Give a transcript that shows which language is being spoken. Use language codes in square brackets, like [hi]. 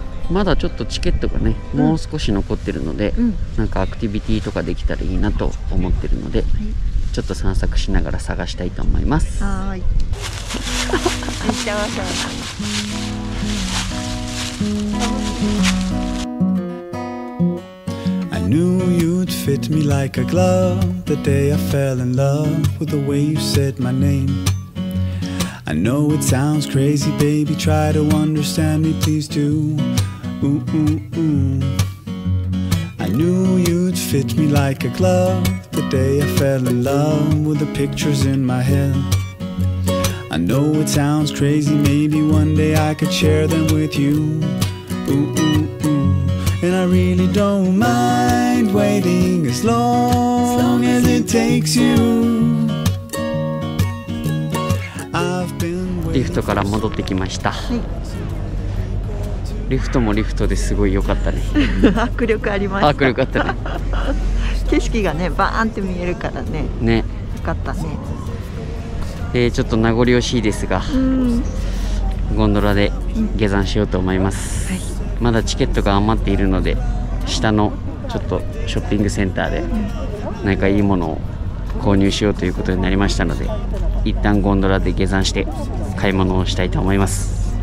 [ja] まだちょっとチケットがね、うん、もう少し残ってるので、うん、なんかアクティビティとかできたらいいなと思ってるので、はい、ちょっと散策しながら探したいと思います。はーい、めっちゃわしゃわしゃ。 [en] Knew you'd fit me like a glove The day I fell in love With the way you said my name I know it sounds crazy baby Try to understand me please do Ooh, ooh, ooh I knew you'd fit me like a glove The day I fell in love With the pictures in my head I know it sounds crazy Maybe one day I could share them with you Ooh, ooh, ooh And I really don't mindWaiting as long as it takes you. I've been waiting. [ja] リフフトから戻ってきました。リフトもリフトですごい良かったね。迫力ありました。迫力あったね。景色がねバーンって見えるからね。ね、良かったね。ちょっと名残惜しいですが、ゴンドラで下山しようと思います、はい、まだチケットが余っているので下のちょっとショッピングセンターで何かいいものを購入しようということになりましたので、一旦ゴンドラで下山して買い物をしたいと思います。